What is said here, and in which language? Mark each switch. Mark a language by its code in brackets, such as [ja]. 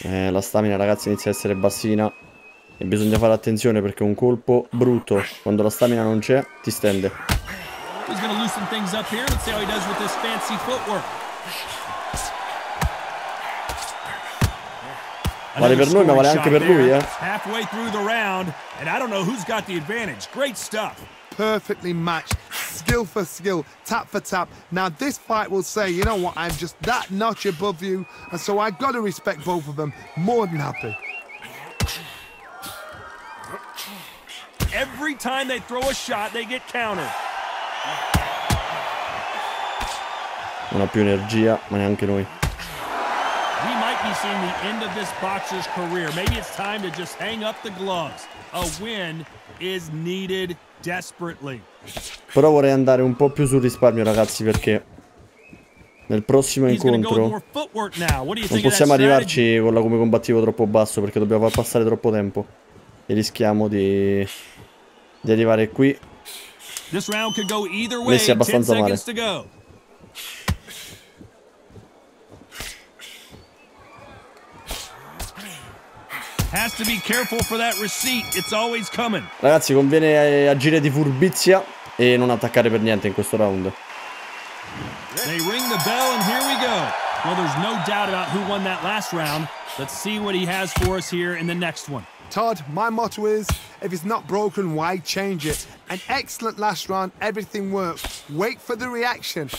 [it] La stamina, ragazzi, inizia a essere bassina. E bisogna fare attenzione perché un colpo brutto, quando la stamina non c'è, ti stende. [en] He's gonna loosen things up here. Let's see how he does with this fancy footwork. [it] Vale per noi, ma vale anche per lui, eh. [en] Halfway through the round, and I don't know who's got the advantage. Great stuff. Perfectly matched. Skill for skill, tap for tap. Now this fight will say, you know what, I'm just that notch above you, and so I gotta respect both of them. More than happy. Every time they throw a shot, they get countered. [it] Non ha più energia, ma neanche noi. [en] We might be seeing the end of this boxer's career. Maybe it's time to just hang up the gloves. A win is needed desperately. [it] Però vorrei andare un po' più sul risparmio, ragazzi, perché nel prossimo incontro non possiamo arrivarci con la come combattivo troppo basso, perché dobbiamo far passare troppo tempo e rischiamo di arrivare qui messi abbastanza male. [en] Has to be careful for that receipt. It's always coming. [it] Ragazzi, conviene agire di furbizia e non attaccare per niente in questo round. [en] They ring the bell and here we go. Well, there's no doubt about who won that last round. Let's see what he has for us here in the next one. Todd, my motto is, if it's not broken, why change it? An excellent last round, everything works. Wait for the reaction.